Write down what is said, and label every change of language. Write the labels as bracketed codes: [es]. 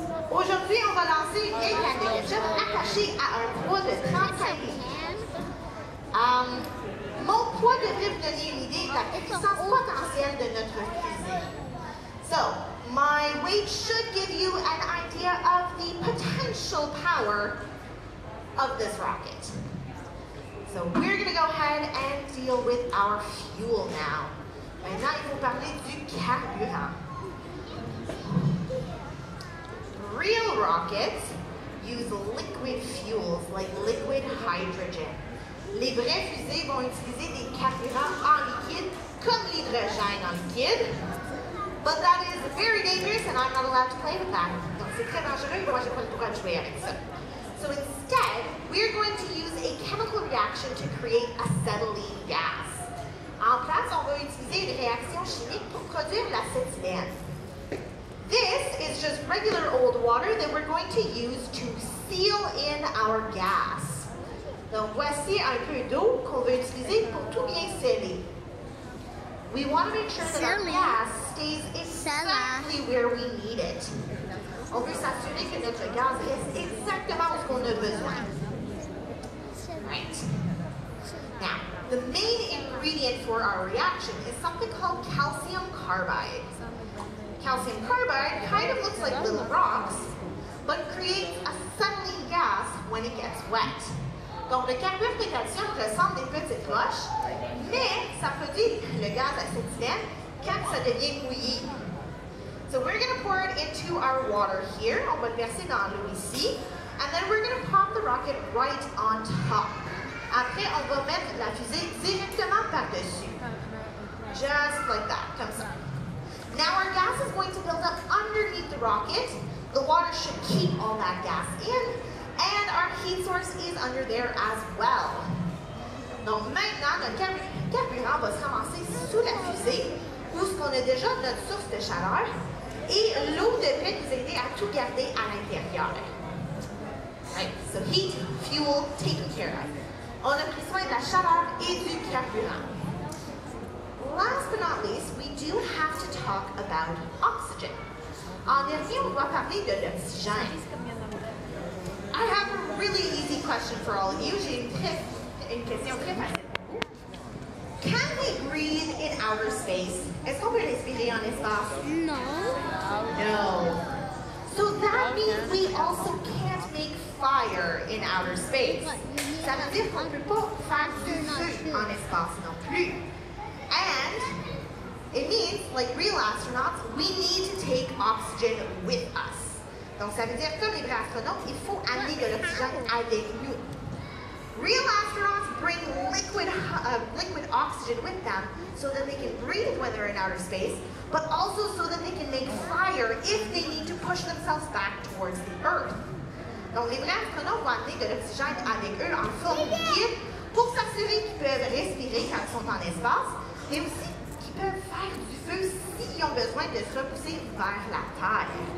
[fr] Aujourd'hui, on va lancer une canne de ketchup attachée à un poids de 35 litres. Mon poids devrait vous donner une idée de la puissance potentielle de notre fusée. [en] So, my weight should give you an idea of the potential power of this rocket. So we're going to go ahead and deal with our fuel now. [fr] Maintenant, il faut parler du carburant. [en] Real rockets use liquid fuels like liquid hydrogen. [fr] Les vraies fusées vont utiliser des carburants en liquide comme l'hydrogène en liquide. [en] But that is very dangerous and I'm not allowed to play with that. [fr] Donc c'est très dangereux, moi j'ai pas le droit de jouer avec ça. [en] So instead, we're going to use a chemical reaction to create acetylene gas. [fr] En place, on va utiliser une réaction chimique pour produire l'acétylène. [en] This is just regular old water that we're going to use to seal in our gas. [fr] Donc voici un peu d'eau qu'on va utiliser pour tout bien sceller. [en] We want to make sure that our gas stays exactly where we need it. [fr] On veut s'assurer que notre gaz est exactement ce qu'on a besoin. [en] Right. Now, the main ingredient for our reaction is something called calcium carbide. Calcium carbide kind of looks like little rocks, but creates acetylene gas when it gets wet. [fr] Donc, le carbure de calcium ressemble des petites roches, mais ça produit le gaz acétylène quand ça devient mouillé. [en] So, we're going to pour it into our water here. [fr] On va le verser dans l'eau ici. [en] And then we're going to pop the rocket right on top. [fr] Après, on va mettre la fusée directement par-dessus. [en] Just like that, [fr] comme ça. [en] Now, our gas is going to build up underneath the rocket. The water should keep all that gas in. And our heat source is under there as well. [fr] Donc maintenant, notre carburant va se ramasser sous la fusée, où ce qu'on a déjà notre source de chaleur, et l'eau devrait nous aider à tout garder à l'intérieur. [en] Right, so heat, fuel, taken care of. [fr] On a pris soin de la chaleur et du carburant. [en] Last but not least, we do have to talk about oxygen. [fr] En dernier, on va parler de l'oxygène. [en] I have a really easy question for all of you. [fr] J'ai une question très facile. [en] Can we breathe in outer space? [fr] Est-ce qu'on peut respirer en espace? [en] No. No. So that means we also can't make fire in outer space. [fr] Ça veut dire qu'on ne peut pas faire du feu en espace non plus. [en] And it means, like real astronauts, we need to take oxygen with us. [fr] Donc, ça veut dire que les vrais astronautes, il faut amener de l'oxygène avec nous. [en] Real astronauts bring liquid oxygen with them so that they can breathe when they're in outer space, but also so that they can make fire if they need to push themselves back towards the Earth. [fr] Donc, les vrais astronautes vont amener de l'oxygène avec eux en forme guide pour s'assurer qu'ils peuvent respirer quand ils sont en espace et aussi qu'ils peuvent faire du feu s'ils ont besoin de se repousser vers la Terre.